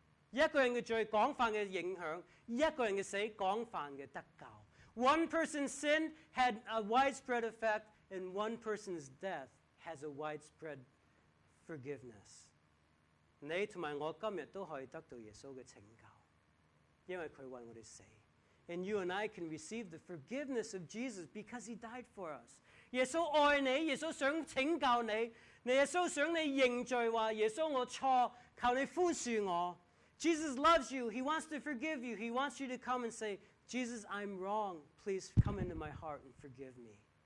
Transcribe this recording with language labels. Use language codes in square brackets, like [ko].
[zh] 一个人的罪,广泛的影响,一个人的死,广泛的得救. [en] One person's sin had a widespread effect, and one person's death has a widespread forgiveness. [zh] 你和我今天都可以得到耶稣的拯救, 因为他为我们死. [en] And you and I can receive the forgiveness of Jesus because he died for us. [zh] 耶稣爱你,耶稣想拯救你, 耶稣想你认罪话,耶稣我错,求你宽恕我。 [en] Jesus loves you, he wants to forgive you, he wants you to come and say, Jesus, I'm wrong, please come into my heart and forgive me.